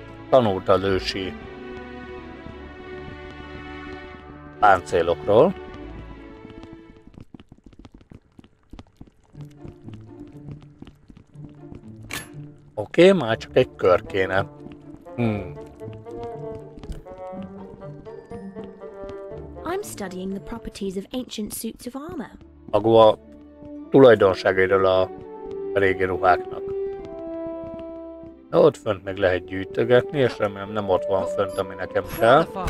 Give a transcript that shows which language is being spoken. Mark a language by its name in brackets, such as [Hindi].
[Hungarian] Tanult az ősi páncélokról. Oké, már csak egy kör kéne. [English] I'm studying the properties of ancient suits of armor. [Hungarian] Maga a tulajdonságairól a régi ruháknak. De ott fönt meg lehet gyűjtögetni, és remélem nem ott van fönt, ami nekem kell.